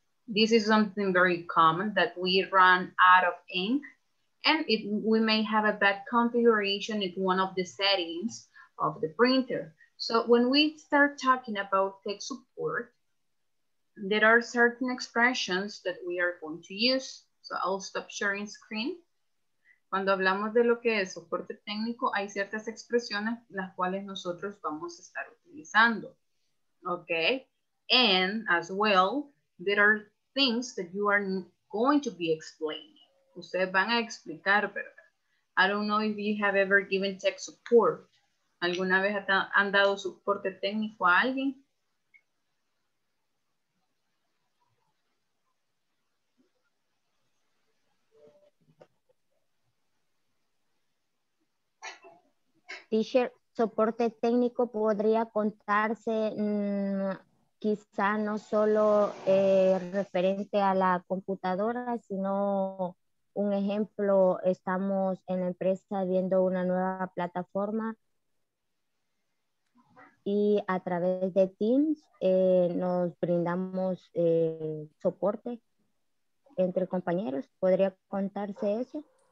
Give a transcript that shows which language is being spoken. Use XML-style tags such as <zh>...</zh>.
<en>This is something very common that we run out of ink, and we may have a bad configuration in one of the settings of the printer. So when we start talking about tech support, there are certain expressions that we are going to use. So I'll stop sharing screen.</en> <es>Cuando hablamos de lo que es soporte técnico, hay ciertas expresiones las cuales nosotros vamos a estar utilizando.</es> <en>Okay? And as well, there are things that you are going to be explaining.</en> <es>Ustedes van a explicar, ¿verdad?</es> <en>I don't know if you have ever given tech support.</en> <es>¿Alguna vez han dado soporte técnico a alguien? Teacher, soporte técnico podría contarse quizá no solo referente a la computadora, sino un ejemplo, estamos en la empresa viendo una nueva plataforma y a través de Teams nos brindamos soporte entre compañeros. ¿Podría contarse eso?</es>